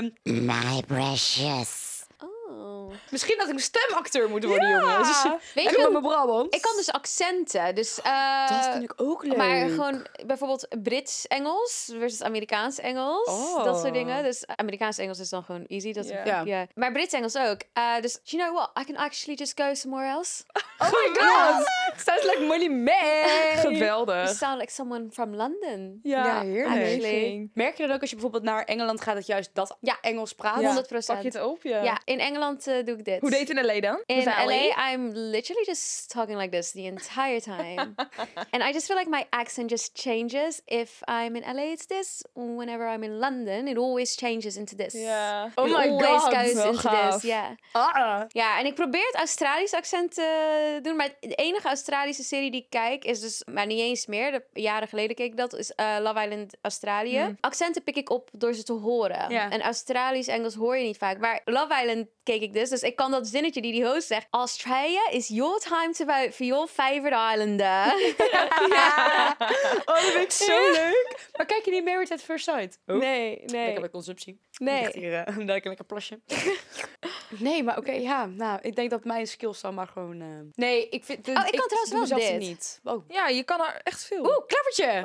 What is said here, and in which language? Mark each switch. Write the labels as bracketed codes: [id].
[en] My precious. [nl] Misschien dat ik een stemacteur moet worden, jongens. Weet je, met mijn Brabant. Ik kan dus accenten. Dus, dat vind ik ook leuk. Maar gewoon bijvoorbeeld Brits-Engels versus Amerikaans-Engels. Oh. Dat soort dingen. Dus Amerikaans-Engels is dan gewoon easy. Dat Maar Brits-Engels ook. [en] Dus, you know what? I can actually just go somewhere else. Oh my god! Sounds like Molly Mae. [nl] geweldig. [en] You sound like someone from London. [nl] Ja, ja, heerlijk. Amazing. Merk je dat ook als je bijvoorbeeld naar Engeland gaat, dat juist dat Engels praat? Ja, 100%. Pak je het op, ja. Ja, in Engeland doe ik dit. Hoe deed je in LA dan? [en] In LA, I'm literally just talking like this the entire time. And I just feel like my accent just changes. If I'm in LA, it's this. Whenever I'm in London, it always changes into this. Yeah. Oh my god. It always goes into [nl] gaaf. [en] This. Yeah. [nl] Ja, en ik probeer het Australisch accent te doen. Maar de enige Australische serie die ik kijk is dus... Maar niet eens meer. Jaren geleden keek ik dat. Is Love Island Australië. Mm. Accenten pik ik op door ze te horen. [en] Yeah. [nl] En Australisch Engels hoor je niet vaak. Maar Love Island keek ik dus. Dus ik kan dat zinnetje die host zegt. [en] Australia is your time to vote for your favorite islander. [nl] Ja. Oh, dat vind ik zo leuk. Maar kijk je niet Married at First Sight? Oh. Nee, nee. Lekker bij consumptie. Nee. Lekker een lekker plasje. Nee, maar oké, ja. Nou, ik denk dat mijn skills dan maar gewoon... Nee, ik vind... Oh, ik kan ik trouwens wel dit. Zelfs niet. Oh. Ja, je kan er echt veel. Oeh, klappertje.